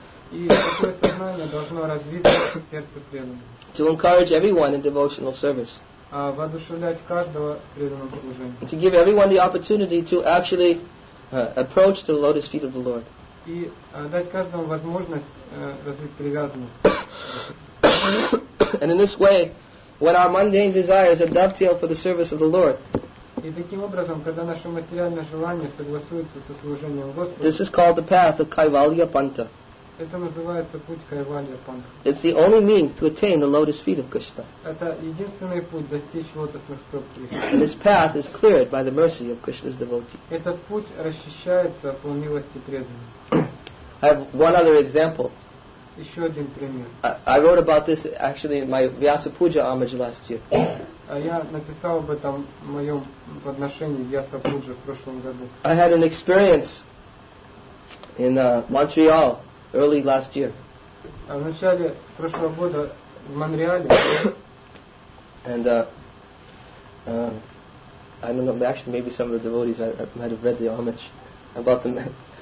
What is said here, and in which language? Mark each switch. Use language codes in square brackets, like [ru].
[ru] И такое сознание должно развиться в сердце преданного. [en] To encourage everyone in devotional service. [ru] Воодушевлять каждого преданного служения. [en] To give everyone the opportunity to actually approach to the lotus feet of the Lord. [ru] И дать каждому возможность развить привязанность. [en] And in this way, when our mundane desires are dovetailed for the service of the Lord. [ru] И таким образом, когда наше материальное желание согласуется со служением Господа. [en] This is called the path of Kaivalya Panta. [ru] Это называется путь Кайвалья-панта. [en] It's the only means to attain the lotus feet of Krishna. [ru] Это единственный путь достичь лотосных стоп Кришны. [en] And this path is cleared by the mercy of Krishna's devotee. [ru] Этот путь расчищается по милости преданных. [en] I have one other example. [ru] Еще один пример. [en] I wrote about this actually in my Vyasa Puja homage last year. [ru] Я написал об этом в моем подношении Vyasa Puja в прошлом году. [en] I had an experience in Montreal. Early last year. [ru] в начале прошлого года в Монреале. [en] And I don't know, actually maybe some of the devotees might have read the homage about the man.